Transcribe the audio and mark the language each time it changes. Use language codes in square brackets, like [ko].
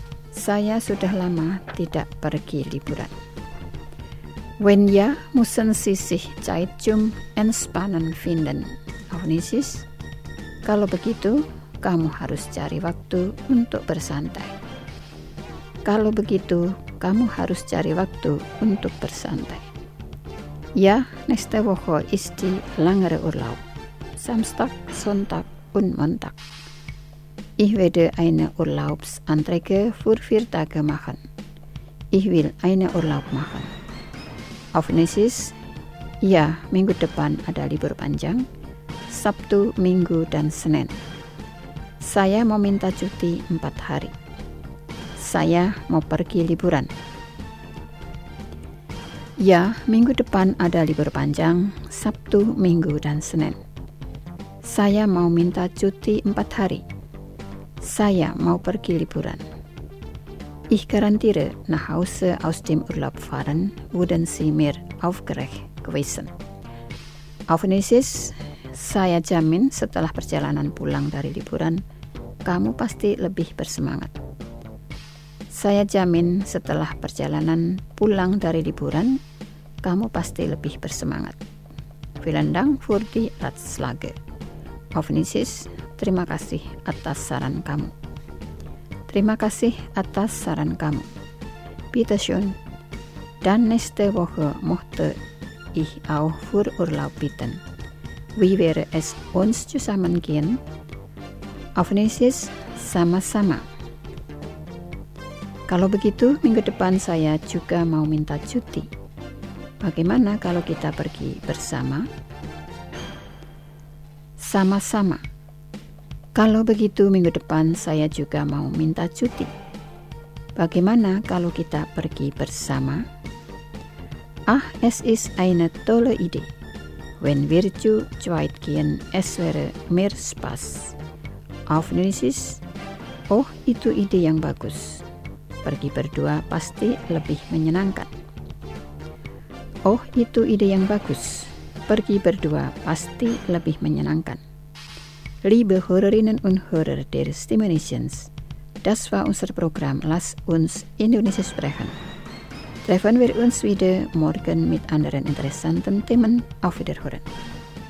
[id] Saya sudah lama tidak pergi liburan. [de] Wenn ja, müssen Sie sich Zeit zum Entspannen finden. Auf Indonesisch. [id] Kalau begitu, kamu harus cari waktu untuk bersantai. Kalau begitu, kamu harus cari waktu untuk bersantai. [de] Ya, nächste Woche ist die längere Urlaub. Samstag, Sonntag und Montag. Ich werde eine Urlaubsanträge für 4 Tage machen. Ich will eine Urlaub machen. Auf Indonesisch, [id] ja, minggu depan ada libur panjang, Sabtu, Minggu, dan Senin. Saya mau minta cuti 4 hari. Saya mau pergi liburan. Ya, minggu depan ada libur panjang, Sabtu, Minggu, dan Senin. Saya mau minta cuti 4 hari. Saya mau pergi liburan. [de] Ich garantiere, nach Hause aus dem Urlaub fahren, würden Sie mehr aufgeregt gewesen. Auf Nisis, [id] saya jamin setelah perjalanan pulang dari liburan, kamu pasti lebih bersemangat. Saya jamin setelah perjalanan pulang dari liburan, kamu pasti lebih bersemangat. [de] Vielen Dank für die Ratschläge. Auf Nisis, [id] terima kasih atas saran kamu. Terima kasih atas saran kamu. [de] Bitte schön. Dann nächste Woche möchte ich auch für Urlaub bitten. Wie wäre es uns zusammen gehen? Auf Nisis, [id] sama-sama. Kalau begitu, minggu depan saya juga mau minta cuti. Bagaimana kalau kita pergi bersama? Sama-sama. Kalau begitu, minggu depan saya juga mau minta cuti. Bagaimana kalau kita pergi bersama? [de] Ah, es ist eine tolle Idee. Wenn wir zu zweit gehen, es wäre mehr Spaß. Auf Nisis. [id] Oh, itu ide yang bagus. Pergi berdua pasti lebih menyenangkan. Oh, itu ide yang bagus. Pergi berdua pasti lebih menyenangkan. [de] Liebe Hörerinnen und Hörer der Stimme Nations, das war unser Programm Lass uns Indonesisch sprechen. Treffen wir uns wieder morgen mit anderen interessanten Themen. Auf Wiederhören.